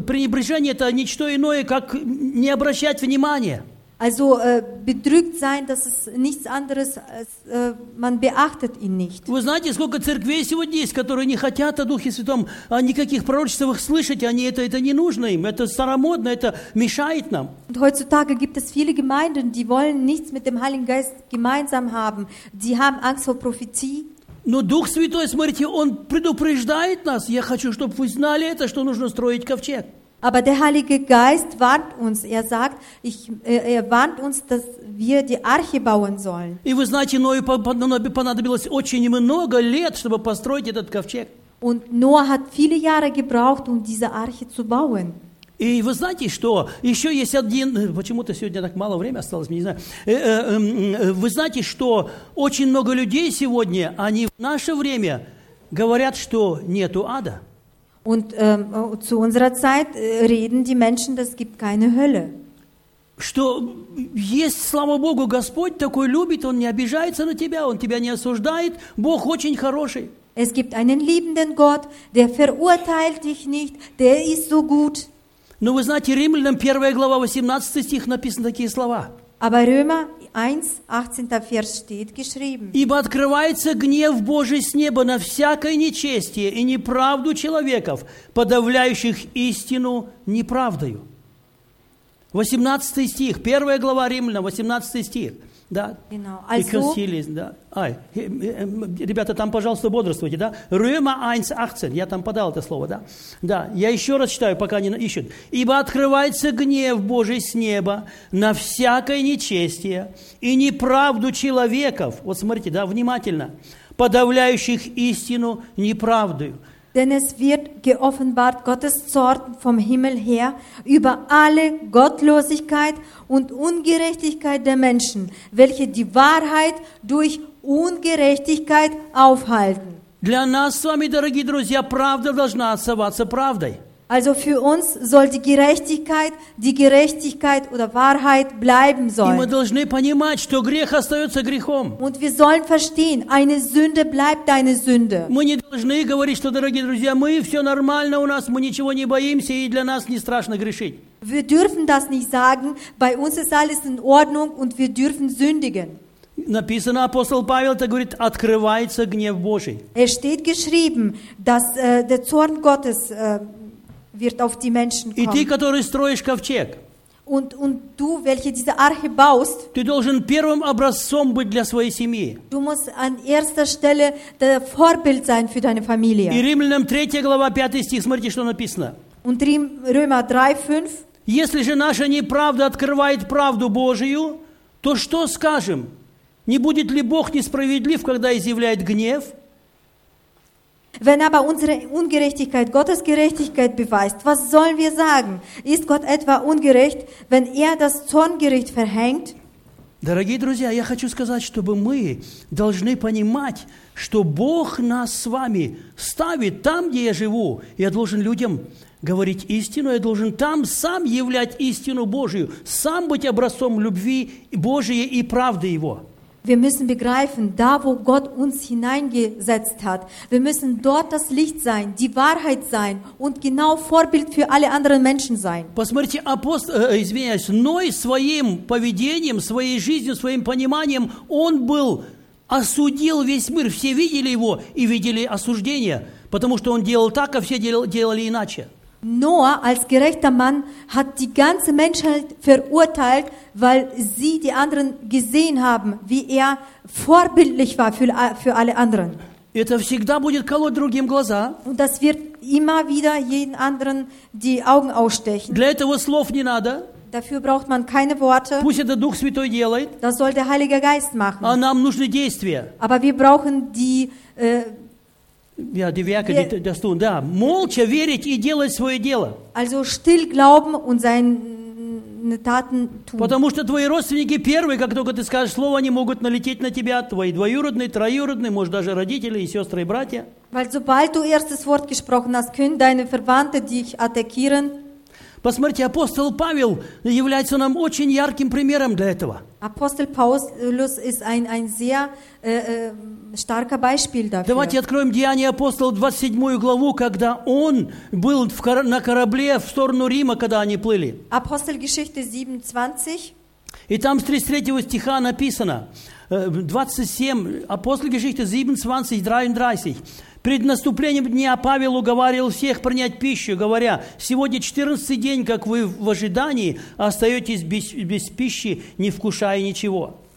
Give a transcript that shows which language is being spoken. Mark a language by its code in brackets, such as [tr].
[ru] Пренебрежение – это ничто иное, как не обращать внимания. [de] Also bedrückt sein, das ist nichts anderes, als, man beachtet ihn nicht. [ru] Вы знаете, сколько церквей сегодня есть, которые не хотят о Духе Святом никаких пророчеств их слышать, они это не нужно им, это старомодно, это мешает нам. [de] Und heutzutage gibt es viele Gemeinden, die wollen nichts mit dem Heiligen Geist gemeinsam haben. Die haben Angst vor Prophetie. [ru] Но Дух Святой, смотрите, Он предупреждает нас. Я хочу, чтобы вы знали это, что нужно строить ковчег. [de] Aber der Heilige Geist warnt uns. Er sagt, er warnt uns, dass wir die Arche bauen sollen. [ru] И вы знаете, Ною понадобилось очень много лет, чтобы построить этот ковчег. [de] Und Noah hat viele Jahre gebraucht, um diese Arche zu bauen. [ru] И вы знаете, что еще есть один... Почему-то сегодня так мало времени осталось, не знаю. Вы знаете, что очень много людей сегодня, они в наше время говорят, что нету ада. [de] Und zu unserer Zeit reden die Menschen, dass es gibt keine Hölle. [ru] Что есть, слава Богу, Господь такой любит, Он не обижается на тебя, Он тебя не осуждает, Бог очень хороший. [de] Es gibt einen liebenden Gott, der verurteilt dich nicht, der ist so gut. [ru] Но вы знаете, Римлянам 1 глава 18 стих написаны такие слова. [de] Aber Römer 1, 18 Vers steht geschrieben. [ru] Ибо открывается гнев Божий с неба на всякое нечестие и неправду человеков, подавляющих истину неправдою. 18 стих, 1 глава Римлянам, 18 стих. Да. [de] Also, [ru] и консилиз, да. Ай, ребята, там, пожалуйста, бодрствуйте, да? Рема 1, 18, я там подал это слово, да? Да, я еще раз читаю, пока не ищут. Ибо открывается гнев Божий с неба на всякое нечестие и неправду человеков, вот смотрите, да, внимательно, подавляющих истину неправдою. [de] Denn es wird geoffenbart Gottes Zorn vom Himmel her über alle Gottlosigkeit und Ungerechtigkeit der Menschen, welche die Wahrheit durch Ungerechtigkeit aufhalten. [ru] Для нас с вами, дорогие друзья, правда должна оставаться правдой. [de] Also für uns soll die Gerechtigkeit oder Wahrheit bleiben sollen. [ru] И мы должны понимать, что грех остается грехом. [de] Und wir sollen verstehen, eine Sünde bleibt eine Sünde. [ru] Мы не должны говорить, что, дорогие друзья, мы все нормально у нас, мы ничего не боимся и для нас не страшно грешить. [de] Wir dürfen das nicht sagen, bei uns ist alles in Ordnung und wir dürfen sündigen. [ru] Написано, апостол Павел это говорит, открывается гнев Божий. [de] Es steht geschrieben, dass der Zorn Gottes wird auf die Menschen kommen. [ru] И ты, который строишь ковчег, [de] und du, welche diese Arche baust, [ru] ты должен первым образцом быть для своей семьи. [de] Du musst an erster Stelle der Vorbild sein für deine Familie. [ru] И Римлянам 3 глава 5 стих, смотрите, что написано. [de] Und Römer 3, 5. [ru] Если же наша неправда открывает правду Божию, то что скажем? Не будет ли Бог несправедлив, когда изъявляет гнев? [de] Wenn aber unsere Ungerechtigkeit Gottes Gerechtigkeit beweist, was sollen wir sagen? Ist Gott etwa ungerecht, wenn er das Zorngericht verhängt? [ru] Дорогие друзья, я хочу сказать, чтобы мы должны понимать, что Бог нас с вами ставит там, где я живу. Я должен людям говорить истину, я должен там сам являть истину Божию, сам быть образцом любви Божией и правды Его. [de] Wir müssen begreifen, da wo Gott uns hineingesetzt hat, wir müssen dort das Licht sein, die Wahrheit sein und genau Vorbild für alle anderen Menschen sein. [ru] Посмотрите, Ной своим поведением, своей жизнью, своим пониманием, он был, осудил весь мир, все видели его и видели осуждение, потому что он делал так, а все делали иначе. [de] Noah als gerechter Mann hat die ganze Menschheit verurteilt, weil sie die anderen gesehen haben, wie er vorbildlich war für alle anderen. [ru] Это всегда будет колоть другим глаза. [de] Und das wird immer wieder jeden anderen die Augen ausstechen. [ru] Для этого слов не надо. [de] Dafür braucht man keine Worte. [ru] Пусть это Дух Святой делает. [de] Das soll der Heilige Geist machen. [ru] А нам нужны действия. [de] Aber wir brauchen die Ja, die Werke, die, das tun, да. [ru] Молча верить и делать свое дело. [de] Also still glauben und seine Taten tun. [ru] Потому что твои родственники первые, как только ты скажешь слово, они могут налететь на тебя, твои двоюродные, троюродные, может даже родители и сестры и братья. [de] Weil sobald du erstes Wort gesprochen hast, können deine Verwandte dich attackieren. [ru] Посмотрите, апостол Павел является нам очень ярким примером для этого. [de] Апостол Паулус ist ein sehr starker Beispiel dafür. [ru] Давайте откроем Деяния апостола 27 главу, когда он был на корабле в сторону Рима, когда они плыли. [de] Апостолгеschichte 27. [ru] И там с 33 стиха написано, 27, апостолгеschichte 27, 33. Пред наступлением дня Павел уговаривал всех принять пищу, говоря, сегодня 14-й день, как вы в ожидании, остаетесь без пищи, не вкушая ничего.